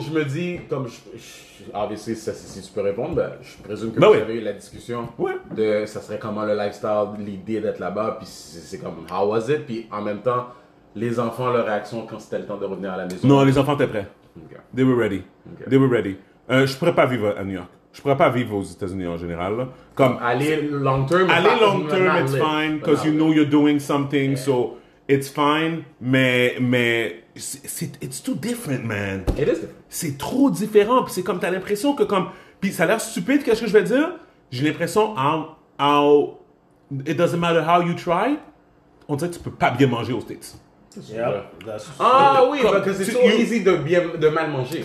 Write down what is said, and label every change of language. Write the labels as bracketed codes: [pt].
[fr] Je me dis, comme obviously, ça, si tu peux répondre, ben, je présume que vous avez eu la discussion de ça serait comment le lifestyle, l'idée d'être là-bas, puis c'est comme, [en] how was it? [fr] Puis en même temps, les enfants, leur réaction quand c'était le temps de revenir à la maison? Non, les enfants étaient prêts. Okay. [en] They were ready. [fr] Okay. They were ready. Je pourrais pas vivre à New York. Je pourrais pas vivre aux États-Unis en général. Comme, [en] aller long term, aller long term, it's fine, because you know you're doing something, yeah. So it's fine, mais it's too different, man. It is different. [fr] C'est trop différent, puis c'est comme t'as l'impression que comme, puis ça a l'air stupide, qu'est-ce que je vais dire? J'ai l'impression, [en] how it doesn't matter how you try, [fr] on dirait que tu peux pas bien manger aux States. [en] Yeah. [fr] Ah oui, comme, parce que c'est trop easy de mal manger.